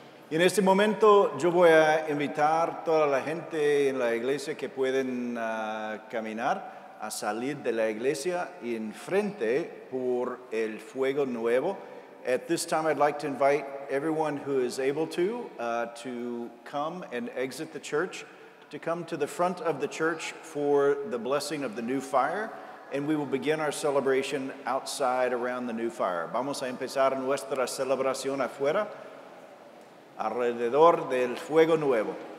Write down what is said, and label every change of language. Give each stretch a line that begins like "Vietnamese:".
Spanish: Y en este momento yo voy a invitar toda la gente en la iglesia que pueden caminar a salir de la iglesia y enfrente por el fuego nuevo.
English: At this time I'd like to invite everyone who is able to come and exit the church, to come to the front of the church for the blessing of the new fire. And we will begin our celebration outside around the new fire.
Spanish: Vamos a empezar nuestra celebración afuera, alrededor del fuego nuevo.